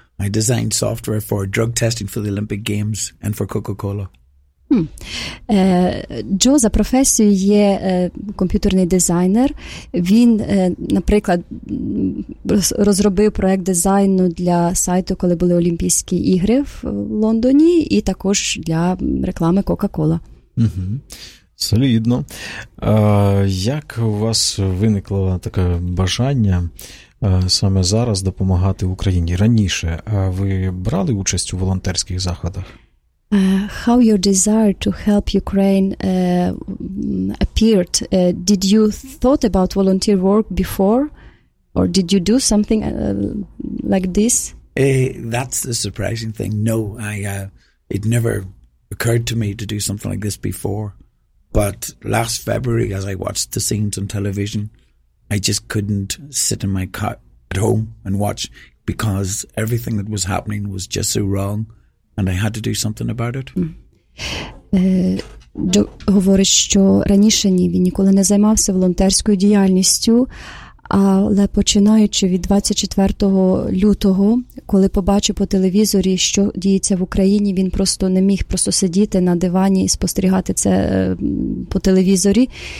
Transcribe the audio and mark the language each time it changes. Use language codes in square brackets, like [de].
[en] I designed software for drug testing for the Olympic Games and for Coca-Cola. [uk] Джо за професією є комп'ютерний дизайнер. Він, наприклад, розробив проєкт дизайну для сайту, коли були Олімпійські ігри в Лондоні, і також для реклами Coca-Cola. Угу. Солідно. Як у вас виникло таке бажання саме зараз допомагати Україні? Раніше ви брали участь у волонтерських заходах? [en] How your desire to help Ukraine appeared? Did you thought about volunteer work before? Or did you do something like this? That's the surprising thing. No, it never occurred to me to do something like this before. But last February, as I watched the scenes on television, I just couldn't sit in my car at home and watch, because everything that was happening was just so wrong and I had to do something about it. [uk] Джо говорить, що раніше він ніколи не займався волонтерською діяльністю, але починаючи від 24 лютого, коли побачив по телевізорі, що діється в Україні, він просто не міг просто сидіти на дивані і спостерігати це по телевізорі.